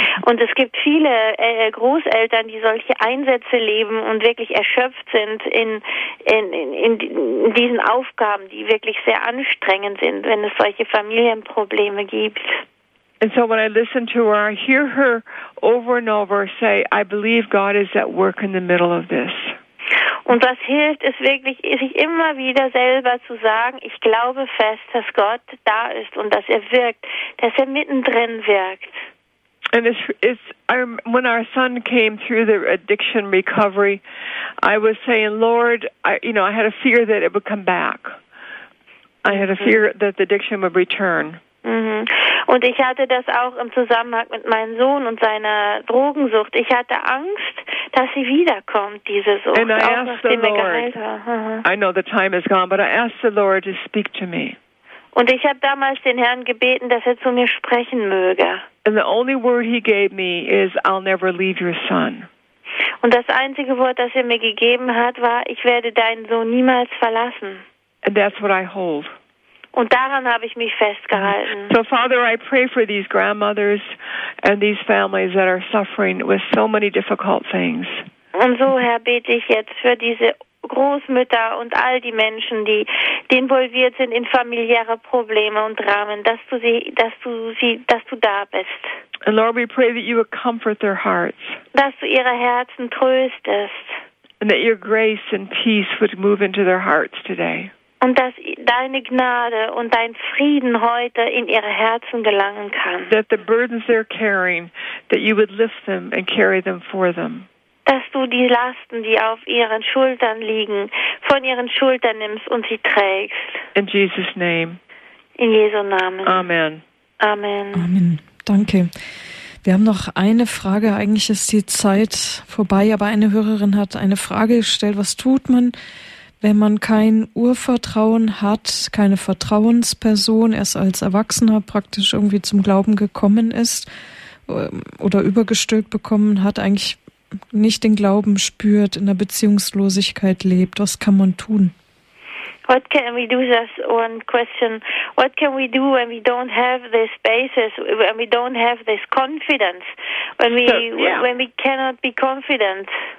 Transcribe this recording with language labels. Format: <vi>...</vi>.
<de>Und es gibt viele Großeltern, die solche Einsätze leben und wirklich erschöpft sind in diesen Aufgaben, die wirklich sehr anstrengend sind, wenn es solche Familienprobleme gibt.</de> <en>And so when I listen to her, I hear her over and over say, I believe God is at work in the middle of this.</en> <de>Und was hilft, ist wirklich, sich immer wieder selber zu sagen, ich glaube fest, dass Gott da ist und dass er wirkt, dass er mittendrin wirkt.</de> <en>And when our son came through the addiction recovery, I was saying, Lord, I had a fear that it would come back. I had a fear that the addiction would return. Mhm.</en> <de>Und ich hatte das auch im Zusammenhang mit meinem Sohn und seiner Drogensucht. Ich hatte Angst, dass sie wiederkommt, diese Sucht,</de> <en>and I</en> <de>auch</de> <en>asked</en> <de>nachdem</de> <en>the</en> <de>er</de> <en>Lord,</en> <de>geheilt war.</de> <en>I know the time is gone, but I asked the Lord to speak to me.</en> <de>Und ich habe damals den Herrn gebeten, dass er zu mir sprechen möge.</de> <en>And the only word he gave me is, I'll never leave your son.</en> <de>Und das einzige Wort, das er mir gegeben hat, war, ich werde deinen Sohn niemals verlassen.</de> <en>And that's what I hold.</en> <de>Und daran habe ich mich festgehalten.</de> <en>So, Father, I pray for these grandmothers and these families that are suffering with so many difficult things.</en> <de>Und so, Herr, bete ich jetzt für diese Großmütter und all die Menschen, die involviert sind in familiäre Probleme und Dramen, dass du da bist.</de> <en>And Lord, we pray that you would comfort their hearts.</en> <de>Dass du ihre Herzen tröstest.</de> <en>And that your grace and peace would move into their hearts today.</en> <de>Und dass deine Gnade und dein Frieden heute in ihre Herzen gelangen kann.</de> <en>That the burdens they're carrying, that you would lift them and carry them for them.</en> <de>Dass du die Lasten, die auf ihren Schultern liegen, von ihren Schultern nimmst und sie trägst.</de> <en>In Jesus' name.</en> <de>In Jesu Namen. Amen. Amen. Amen. Danke. Wir haben noch eine Frage. Eigentlich ist die Zeit vorbei, aber eine Hörerin hat eine Frage gestellt. Was tut man, wenn man kein Urvertrauen hat, keine Vertrauensperson, erst als Erwachsener praktisch irgendwie zum Glauben gekommen ist oder übergestülpt bekommen hat, eigentlich nicht den Glauben spürt, in der Beziehungslosigkeit lebt? Was kann man tun?</de> <en>What can we do, that's one question. What can we do when we don't have this basis, when we don't have this confidence, when we cannot be confident?</en>